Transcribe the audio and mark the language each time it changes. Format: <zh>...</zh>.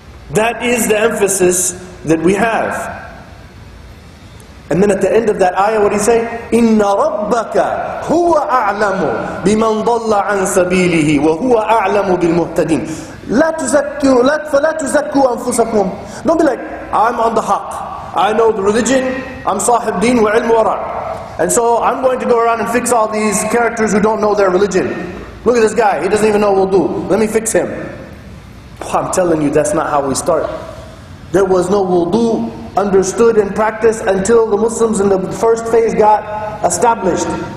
<en>That is the emphasis that we have. And then at the end of that ayah, what do you say?</en> <ar>إِنَّ رَبَّكَ هُوَ أَعْلَمُ بِمَنْ ضَلَّ عَنْ سَبِيلِهِ وَهُوَ أَعْلَمُ بِالْمُهْتَدِينَ فَلَا تُزَكُّوا أَنفُسَكُمْ.</ar> <en>Don't be like, I'm on the haq. I know the religion. I'm</en> <ar>صاحب دين وعلم ورع.</ar> <en>And so I'm going to go around and fix all these characters who don't know their religion. Look at this guy. He doesn't even know what wudu. Let me fix him. I'm telling you, that's not how we start. There was no wudu understood and practiced until the Muslims in the first phase got established.</en>